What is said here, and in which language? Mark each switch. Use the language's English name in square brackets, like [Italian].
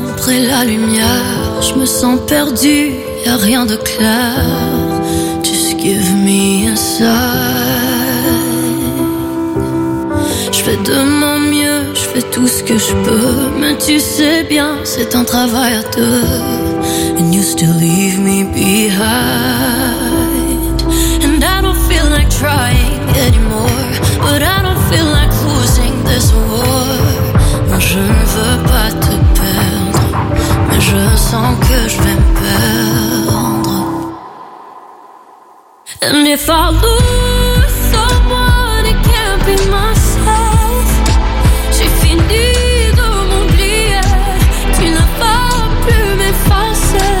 [French] La lumière, je me sens perdue, y'a rien de clair. [English] Just give me a sign. [French] Je fais de mon mieux, je fais tout ce que je peux. Mais tu sais bien, c'est un travail à deux. [English] And you still leave me behind. And I don't feel like trying anymore. But I don't feel like losing this war. [French] Moi je ne veux pas te perdre. Je sens que je vais me perdre. [English] And if I lose someone, it can't be myself. [French] J'ai fini de m'oublier. Tu ne vas plus m'effacer.